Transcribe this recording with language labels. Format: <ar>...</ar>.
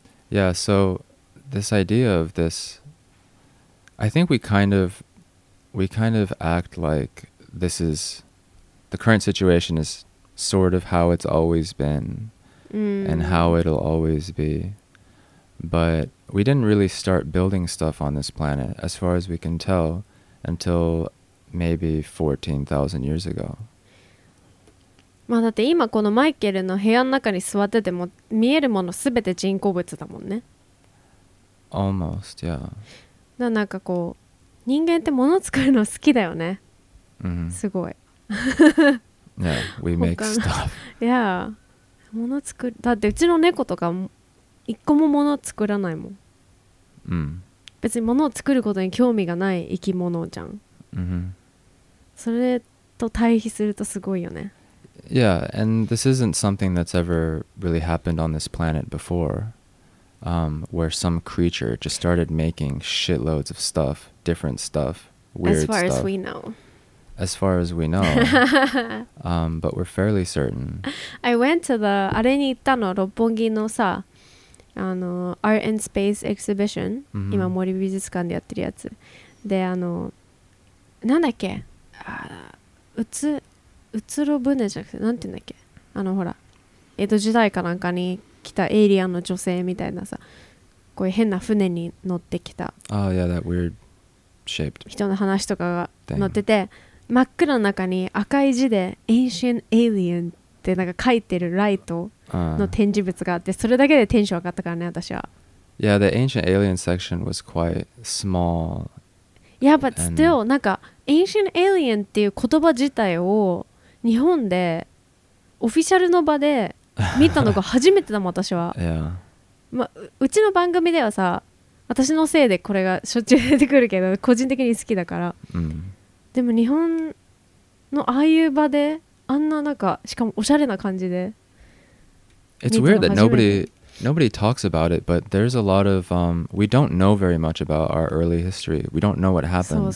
<en>yeah soThis idea of this, I think we kind of act like this is, the current situation is sort of how it's always been and how it'll always be. But we didn't really start building stuff on this planet, as far as we can tell, until maybe 14,000 years ago.</en> <ja>まあだって今このマイケルの部屋の中に座ってても見えるものすべて人工物だもんね。</ja> <en>Almost, yeah.</en> <ja>だなんかこう人間ってもの作るの好きだよね。 Mm-hmm. すごい。</ja> <en>yeah, we make stuff.</en> <ja>yeah, もの作る。だってうちの猫とか一個ももの作らないもん。 Mm. 別にものを作ることに興味がない生き物じゃん。 Mm-hmm. それと対比するとすごいよね。</ja> <en>Yeah, and this isn't something that's ever really happened on this planet before. Where some creature just started making shitloads of stuff, different stuff, weird stuff. As far as we know. As far as we know. but we're fairly certain. I went to the,</en> <ja>あれに行ったの、六本木のさ、</ja> <en>Art and Space Exhibition、mm-hmm.</en> <ja>今森美術館でやってるやつ。で、なんだっけ、うつろ船じゃなくて、なんていうんだっけ、ほら、江戸時代かなんかに、来たエイリアンの女性みたいなさこういう変な船に乗ってきた人の話とかが載ってて真っ暗の中に赤い字で Ancient Alien ってなんか書いてるライトの展示物があってそれだけでテンション上がったからね私は</ja> <en>Yeah, the Ancient Alien section was quite small Yeah, but still</en> <ja>なんか Ancient Alien っていう言葉自体を日本でオフィシャルの場で見たのが初めてだもん私は、 yeah. ま、うちの番組ではさ私のせいでこれがしょっちゅう出てくるけど個人的に好きだから、 mm. でも日本のああいう場であんななんかしかもおしゃれな感じで</ja> <en>It's weird that nobody talks about it but there's a lot of we don't know very much about our early history we don't know what happened</en>